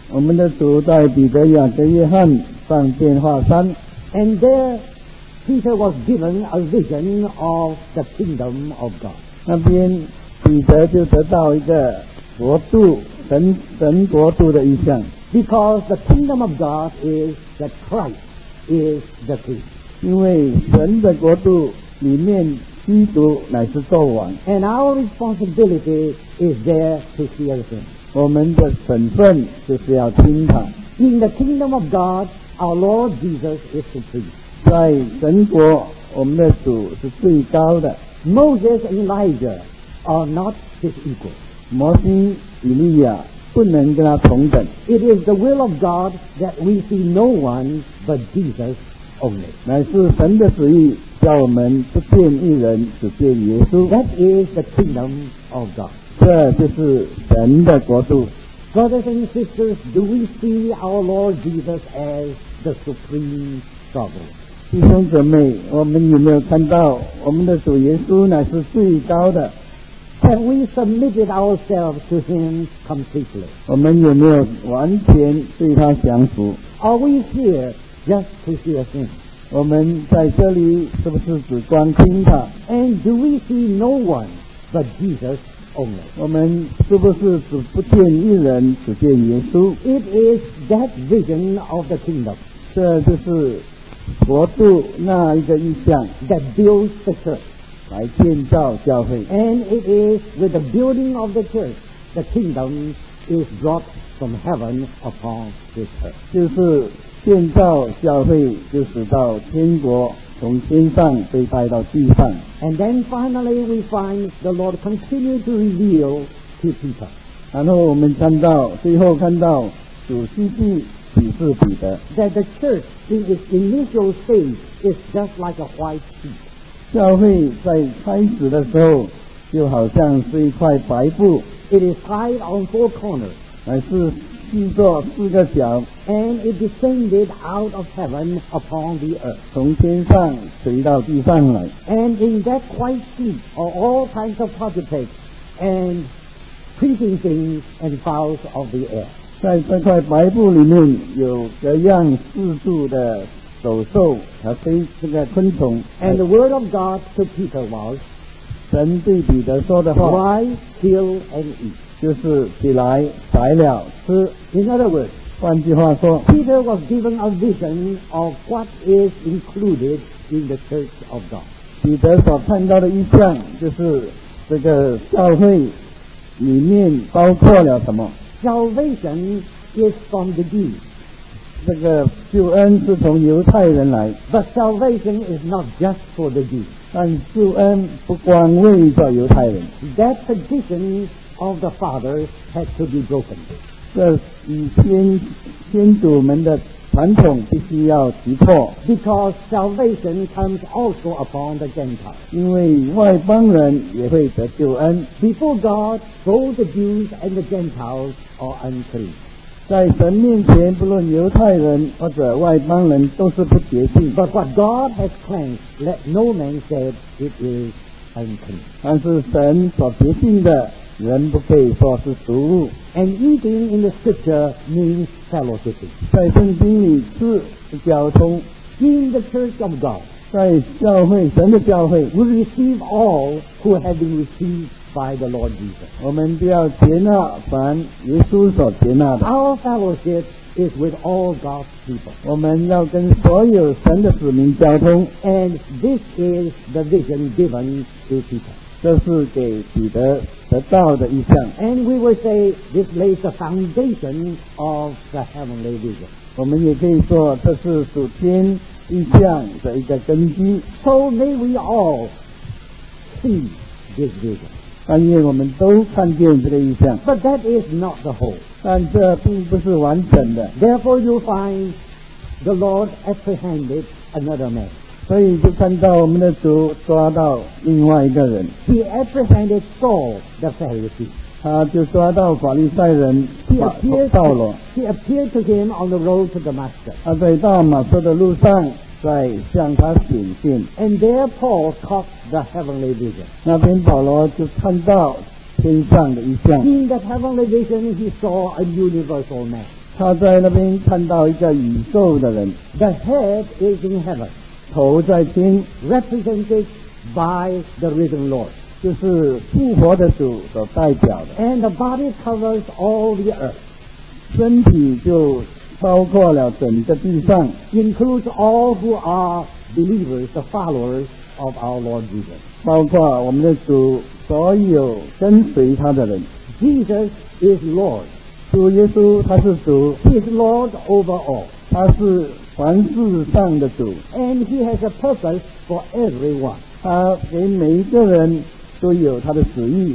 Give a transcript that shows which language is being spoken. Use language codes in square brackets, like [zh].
[zh] 我们的主带彼得雅各约翰上变化山。 [en] And there Peter was given a vision of the kingdom of God. [zh] 那边彼得就得到一个国度，神国度的意象。 [en] Because the kingdom of God is that Christ is the king. [zh] 因为神的国度里面基督乃是作王。 [en] And our responsibility is there to hear him. [zh] 我们的本分就是要听他。 [en] In the kingdom of God, our Lord Jesus is supreme. [zh] 在神国我们的主是最高的。 [en] Moses and Elijah are not his equals. [zh] 摩西以利亚不能跟他同等。 [en] It is the will of God that we see no one but Jesus only. [zh] 乃是神的旨意叫我们不见一人，只见耶稣。 [en] That is the kingdom of God. [zh] 这就是神的国度。 [en] Brothers and sisters, do we see our Lord Jesus as the supreme sovereign? [zh] 弟兄姊妹，我们有没有看到我们的主耶稣乃是最高的？ [en] Have we submitted ourselves to him completely? [zh] 我们有没有完全对他降服？ [en] Are we here just to hear him? [zh] 我们在这里是不是只观听他？ [en] And do we see no one but Jesus only? [zh] 我们是不是只不见一人，只见耶稣？ [en] It is that vision of the kingdom. [zh] 这就是国度那一个意象。 [en] That builds the church. [zh] 来建造教会。 [en] And it is with the building of the church, the kingdom is brought from heaven upon this earth. [zh] 就是建造教会，就使到天国从天上被带到地上。 [en] And then finally we find the Lord continue to reveal to Peter. [zh] 然后我们看到最后看到主继续启示彼得。 [en] That the church in its initial stage is just like a white sheet. [zh] 教会在开始的时候就好像是一块白布。 [en] It is tied on four corners. [zh] 乃是制作四个角。 [en] And it descended out of heaven upon the earth. [zh] 从天上垂到地上来。 [en] And in that white sheet are all kinds of prophets and preaching things and fowls of the air. [zh] 在这块白布里面有各样四柱的走兽和飞这个昆虫。 [en] And the word of God to Peter was, [zh] 神对彼得说的话， [en] Why kill and eat? [zh] 就是起来宰了吃。 [en] In other words, [zh] 换句话说， [en] Peter was given a vision of what is included in the church of God. [zh] 彼得所看到的意象就是这个教会里面包括了什么。 [en] Salvation is from the deed. [zh] 这个救恩是从犹太人来。 [en] But salvation is not just for the Jews. [zh] 但救恩不光为着犹太人。 [en] That tradition of the fathers had to be broken. [zh] 这以先祖们的传统必须要击破。 [en] Because salvation comes also upon the Gentiles. [zh] 因为外邦人也会得救恩。 [en] Before God, both the Jews and the Gentiles are unclean. [zh] 在神面前，不论犹太人或者外邦人，都是不洁净。 [en] But what God has cleansed, let no man say it is unclean. [zh] 但是神所洁净的，人不可以说是俗物。 [en] And eating in the scripture means fellowship. [zh] 在圣经里是交通。 [en] In the church of God, [zh] 在教会，神的教会 [en] ，we receive all who have been received. By the Lord Jesus. [zh] 我们就要接纳凡耶稣所接纳的。 [en] Our fellowship is with all God's people. [zh] 我们要跟所有神的子民交通。 [en] And this is the vision given to Peter. [zh] 这是给彼得得到的意象。 [en] And we will say this lays the foundation of the heavenly vision. [zh] 我们也可以说这是属天意象的一个根基。 [en] So may we all see this vision. [zh] 但愿我们都看见这个意象。 [en] But that is not the whole. [zh] 但这并不是完整的。 [en] Therefore, you find the Lord apprehended another man. [zh] 所以就看到我们的主抓到另外一个人。 [en] He apprehended Saul, the Pharisee. [zh] 他就抓到法利赛人扫罗。 [en] He appeared to him on the road to Damascus. [zh] 他在大马色的路上。在向他显现 [en] and there Paul caught the heavenly vision [zh] 那边保罗就看到天上的一象 [en] in that heavenly vision he saw a universal man [zh] 他在那边看到一个宇宙的人 [en] the head is in heaven [zh] 头在天 [en] represented by the risen Lord [zh] 就是复活的主所代表的 [en] and the body covers all the earth [zh] 身体就包括了整个地上 [en] includes all who are believers, the followers of our Lord Jesus. [zh] 包括我们的主所有跟随他的人 [en] Jesus is Lord. [zh] 主耶稣他是主 [en] He is Lord over all. [zh] 他是凡事上的主 [en] And he has a purpose for everyone. [zh] 他给每一个人都有他的旨意